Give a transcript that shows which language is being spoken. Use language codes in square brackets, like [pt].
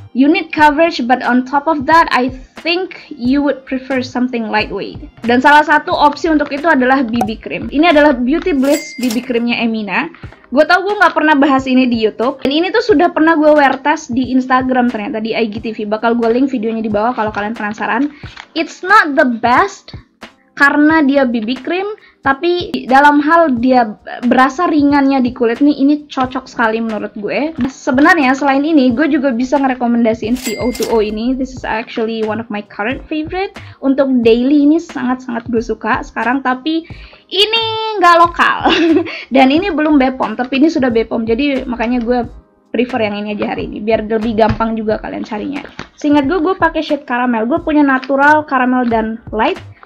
[en] You need coverage, but on top of that, I think you would prefer something lightweight. [id] Dan salah satu opsi untuk itu adalah BB cream. Ini adalah Beauty Bliss BB creamnya Emina. Gue tau gue gak pernah bahas ini di YouTube. Dan ini tuh sudah pernah gue wear test di Instagram ternyata, di IGTV. Bakal gue link videonya di bawah kalau kalian penasaran. [en] It's not the best [id] karena dia BB cream, tapi dalam hal dia berasa ringannya di kulit nih, ini cocok sekali menurut gue. Sebenarnya selain ini, gue juga bisa ngerekomendasiin si O2O ini. [en] This is actually one of my current favorite. [id] Untuk daily ini sangat-sangat gue suka sekarang, tapi ini nggak lokal. Dan ini belum BPOM, tapi ini sudah BPOM. Jadi makanya gue prefer yang ini aja hari ini, biar lebih gampang juga kalian carinya. Seingat gue pakai shade caramel. Gue punya natural, caramel, dan light.